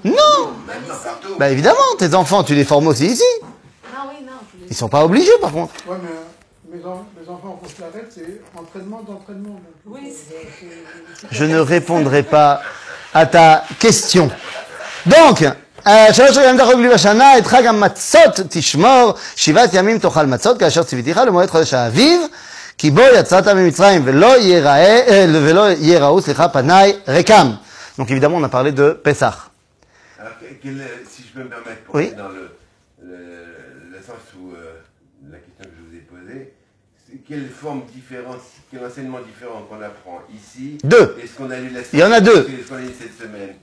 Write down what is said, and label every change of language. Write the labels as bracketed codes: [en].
[fr] Non. Bah, ben, évidemment, tes enfants, tu les formes aussi ici. Ah oui, non. Ils ne sont pas obligés, par contre. Ouais, mais mes enfants en plus de la reste, c'est entraînement d'entraînement. Donc, oui, Je ne répondrai pas à ta question. Donc... [he] שלוש ימים דחוק בלי בשנה, את חג המצות תשמור, שבעת ימים תאכל מצות, כאשר ציוויתיך למועד חודש האביב, כי בו יצאת ממצרים, ולא יראו, סליחה, פניי ריקם. [fr] Donc évidemment, on a parlé de Pessah. Alors, si je peux me permettre, pour aller dans le sens où la question que je vous ai posée, quelle forme différente, quel enseignement différent qu'on apprend ici? Deux. Est-ce qu'on a lu la semaine? Il y en a deux. Est-ce qu'on a lu cette semaine?